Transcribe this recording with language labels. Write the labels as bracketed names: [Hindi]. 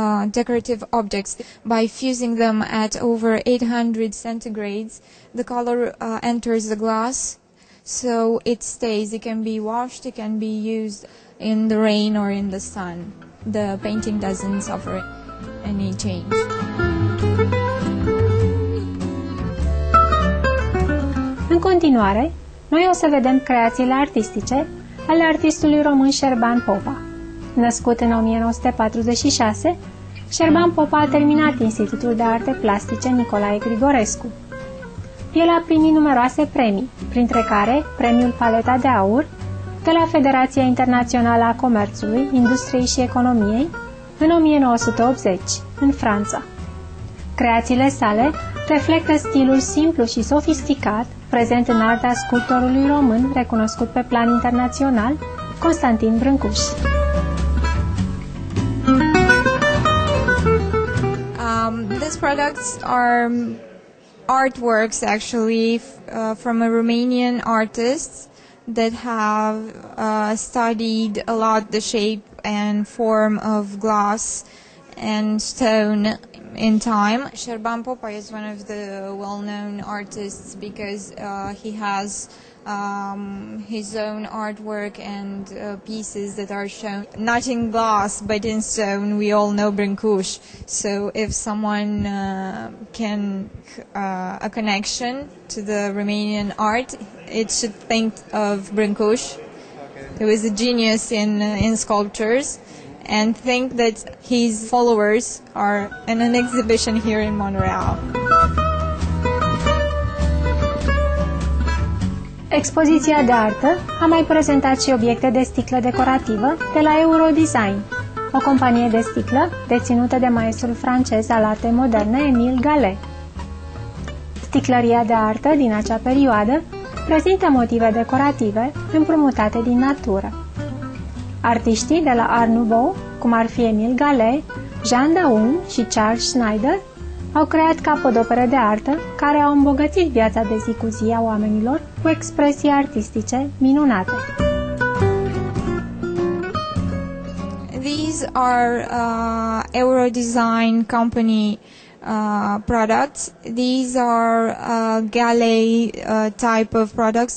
[English] decorative objects by fusing them at over 800 centigrades. The color enters the glass, so it stays. It can be washed, it can be used in the rain or in the sun. The painting doesn't suffer any change. [Romanian] În continuare, noi o să vedem creațiile artistice ale artistului român Șerban Popa. Născut în 1946, Șerban Popa a terminat Institutul de Arte Plastice Nicolae Grigorescu. El a primit numeroase premii, printre care Premiul Paleta de Aur de la Federația Internațională a Comerțului, Industriei și Economiei în 1980, în Franța. Creațiile sale reflectă stilul simplu și sofisticat prezent în arta sculptorului român recunoscut pe plan internațional, Constantin Brâncuș. [English] These products are artworks actually from a Romanian artist that have studied a lot the shape and form of glass and stone in time. Șerban Popa is one of the well-known artists because he has his own artwork and pieces that are shown not in glass but in stone. We all know Brâncuș, so if someone can a connection to the Romanian art, it should think of Brâncuș, who is a genius in sculptures, and think that his followers are in an exhibition here in Montreal. [Romanian] Expoziția de artă a mai prezentat și obiecte de sticlă decorativă de la Eurodesign, o companie de sticlă deținută de maestrul francez al artei moderne Émile Gallet. Sticlăria de artă din acea perioadă prezintă motive decorative împrumutate din natură. Artiștii de la Art Nouveau, cum ar fi Émile Gallet, Jean Daum și Charles Schneider, au creat capodopere de artă care au îmbogățit viața de zi cu zi a oamenilor cu expresii artistice minunate. [English] These are Eurodesign company products. These are Gallet type of products.